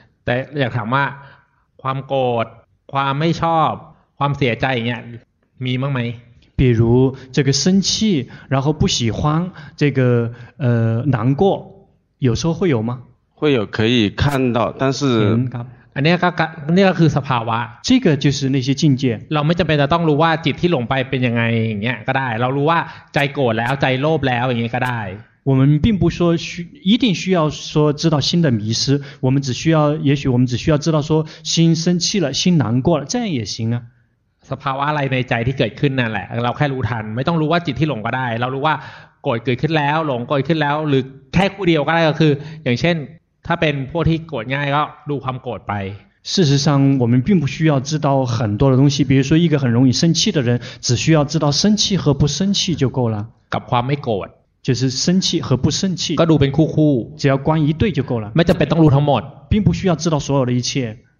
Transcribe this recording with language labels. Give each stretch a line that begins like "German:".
Thai: แต่อยากถามว่าความโกรธความไม่ชอบความเสียใจอย่างเงี้ยมีบ้างไหม
Chinese: 比如这个生气然后不喜欢这个难过有时候会有吗会有可以看到但是那个
Thai: คือสภาวะ
Chinese: 这个就是那些境界
Thai: เราไม่จำเป็นจะต้องรู้ว่าจิตที่หลงไปเป็นยังไงอย่างเงี้ยก็ได้เรารู้ว่าใจโกรธแล้วใจโลภแล้วอย่างเงี้ยก็ได้
Chinese: 我们并不说一定需要说知道心的迷失我们只需要也许我们只需要知道说心生气了心难过了这样也行啊
Thai: สภาวะอะไรในใจที่เกิดขึ้นนั่นแหละเราแค่รู้ทันไม่ต้องรู้ว่าจิตที่หลงก็ได้เรารู้ว่า โกรธเกิดขึ้นแล้วหลงโกรธขึ้นแล้วหรือแค่คู่เดียวก็ได้ก็คืออย่างเช่นถ้าเป็นพวกที่โกรธง่ายก็ดูความโกรธไป
Chinese: 事实上我们并不需要知道很多的东西比如说一个很容易生气的人只需要知道生气和不生气就够了
Thai: กับความไม่โกรธ
Chinese: 就是生气和不生气
Thai: ก็ดูเป็นคู่
Chinese: ๆ只要关一对就够了
Thai: ไม่จำเป็นต้องรู้ทั้งหมด
Chinese: 并不需要知道所有的一切